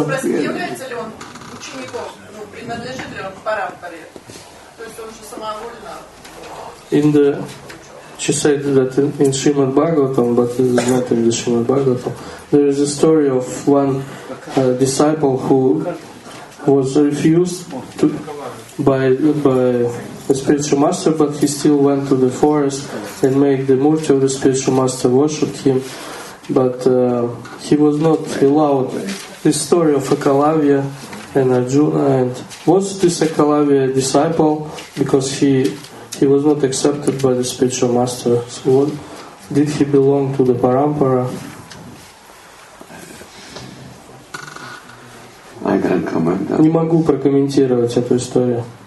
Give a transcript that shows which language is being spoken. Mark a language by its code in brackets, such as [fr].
[ru] Является ли он учеником, принадлежит ли он к парампаре? То есть он же самовольно... [en] She said that in Srimad Bhagavatam, but it is not in the Srimad Bhagavatam. There is a story of one disciple who was refused to, by the spiritual master, but he still went to the forest and made the murti of the spiritual master worship him. But he was not allowed. This story of Ekalavya and Arjuna, and was this Ekalavya a disciple? Because he was not accepted by the spiritual master. So what, did he belong to the parampara? I can't comment. [ru] Не могу прокомментировать эту историю.